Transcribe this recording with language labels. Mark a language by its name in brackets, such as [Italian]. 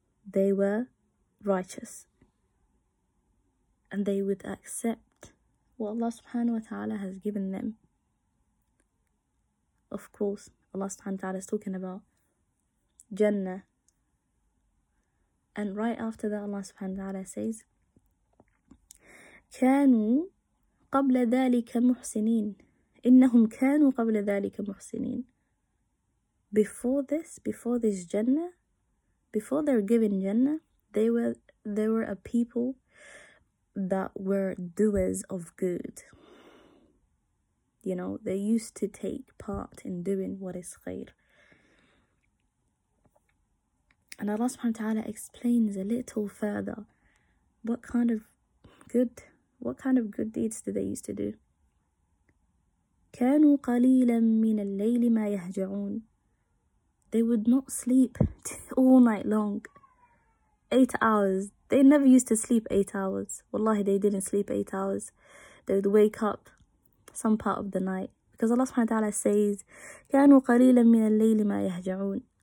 [English] They were righteous. And they would accept what Allah subhanahu wa ta'ala has given them. Of course, Allah subhanahu wa ta'ala is talking about Jannah. And right after that, Allah subhanahu wa ta'ala says, [Arabic] كانوا قبل ذلك محسنين. إنهم كانوا قبل ذلك محسنين. [English] Before this, before this Jannah, before they're given Jannah, they were a people that were doers of good. You know, they used to take part in doing what is khair. And Allah subhanahu wa ta'ala explains a little further what kind of good deeds do they used to do. [Arabic] كانوا قليلا من الليل ما يهجعون. [English] They would not sleep all night long. 8 hours. They never used to sleep 8 hours. Wallahi, they didn't sleep 8 hours. They would wake up some part of the night. Because Allah subhanahu wa ta'ala says, [Arabic] كانوا قليلا من الليل ما يهجعون.